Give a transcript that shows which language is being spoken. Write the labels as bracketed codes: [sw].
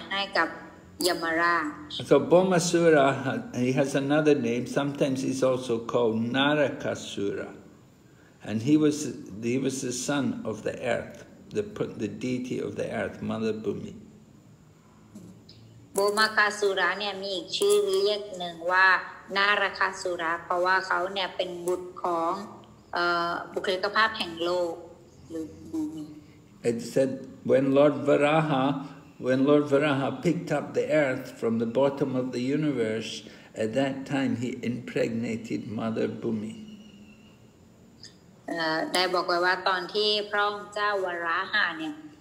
[en] So Bhaumasura, he has another name. Sometimes he's also called Narakasura, and he was the son of the earth, the deity of the earth, Mother Bhumi. [th] Bhaumasura เนี่ย มี อีก ชื่อ เรียก หนึ่ง ว่า Narakasura เพราะ ว่า เขา เนี่ย เป็น บุตร ของ บุคลิก ภาพ แห่ง โลก หรือ [en] ภูมิ. It said when Lord Varaha picked up the earth from the bottom of the universe, at that time he impregnated Mother Bhumi. [th] ได้ บอก ไว้ ว่า ตอน ที่ พระองค์ เจ้า Varaha เนี่ย